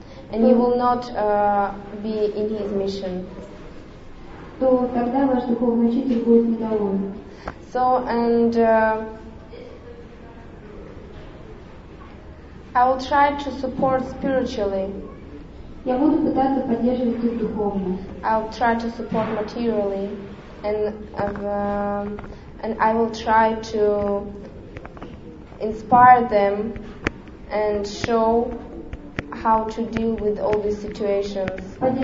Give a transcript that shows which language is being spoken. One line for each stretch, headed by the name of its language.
English: And you will not be in his mission.
Russian: То тогда ваш духовный учитель будет недоволен.
English: So and I will try to support spiritually.
Russian: Я буду пытаться поддерживать их духовно.
English: I'll try to support materially, and I will try to inspire them and show how to deal with all these situations.